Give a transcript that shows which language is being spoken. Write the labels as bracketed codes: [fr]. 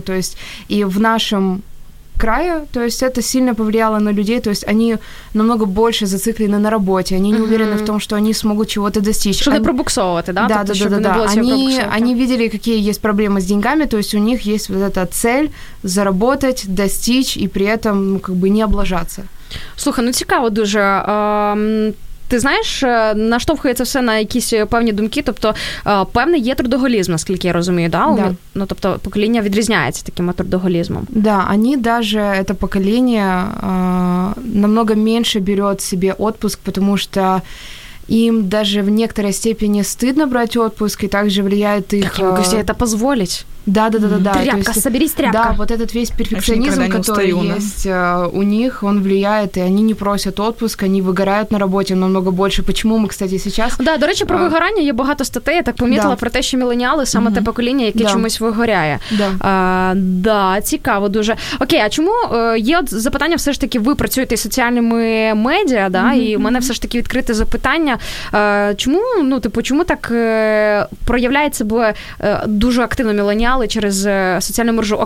[ru] То есть, и в нашем крае, то есть это сильно повлияло на людей, то есть они намного больше зациклены на работе, они не уверены в том, что они смогут чего-то достичь. Чтобы пробуксовывать, да? [uk] Да, тобто, да, да, да. [ru] Они видели, какие есть проблемы с деньгами, то есть у них есть вот эта цель заработать, достичь и при этом, ну, как бы не облажаться. [uk] Слухай, ну цікаво дуже. Ти знаєш, наштовхується все на якісь певні думки, тобто певний є трудоголізм, наскільки я розумію, да? Да. Ну, тобто покоління відрізняється таким трудоголізмом. Так, да, вони навіть, це покоління, намного менше бере собі відпуск, тому що їм навіть в [ru] некоторій степені [uk] стидно брати відпуск, і також впливає їх... Так, я можу це дозволити. Да, да, да, да, да. [ru] Тряпка, соберись, тряпка. Да, вот этот весь перфекционизм, который есть у них, он влияет, и они не просят отпуск, они выгорают на работе намного больше. Почему мы, кстати, сейчас... [uk] Да, до речі, про [ru] выгорание [uk] є багато статей, я так помітила, про те, що міленіали саме те покоління, яке чомусь вигоряє. Да. Да, цікаво дуже. Окей, а чому є от запитання все ж таки, ви працюєте із соціальними медіа, да, і в мене все ж таки відкрите запитання, чому, ну, типу, чому так проявляється бо дуже активно міленіали через соціальну мережу.